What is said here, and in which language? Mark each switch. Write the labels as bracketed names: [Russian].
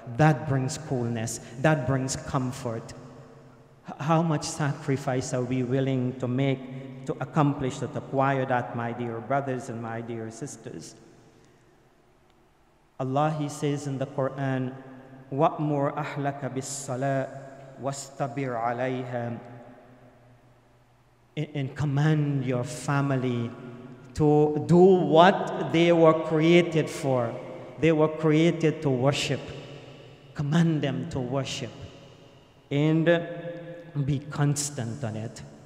[English] That brings coolness. That brings comfort. How much sacrifice are we willing to make to accomplish, to acquire that, my dear brothers and my dear sisters? Allah, he says in the Quran, [Arabic] وأمر أهلك بالصلاة واستبر عليها. [English] And command your family to do what they were created for. They were created to worship. Command them to worship and be constant on it.